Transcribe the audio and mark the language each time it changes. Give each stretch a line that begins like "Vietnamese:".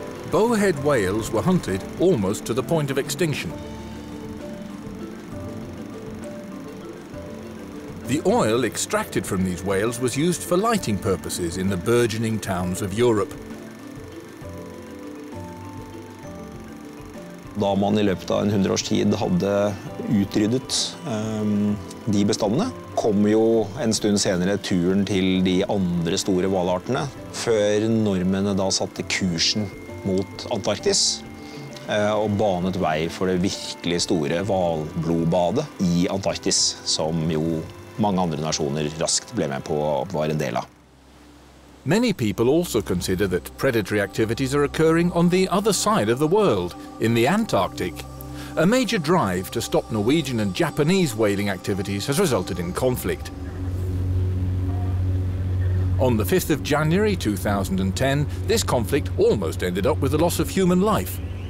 English: Bowhead whales were hunted almost to the point of extinction. The oil extracted from these whales was used for lighting purposes in the burgeoning towns of Europe.
Norwegian: Da man i løpet av en 100 års tid hadde utryddet de bestandene, kom jo en stund senere turen til de andre store hvalartene, før nordmennene da satte kursen mot Antarktis og banet vei for det virkelig store hvalblodbadet i Antarktis, som jo mange andre nasjoner raskt ble med på å være en del av.
English: Many people also consider that predatory activities are occurring on the other side of the world, in the Antarctic. A major drive to stop Norwegian and Japanese whaling activities has resulted in conflict. On the 5th of January 2010, this conflict almost ended up with the loss of human life.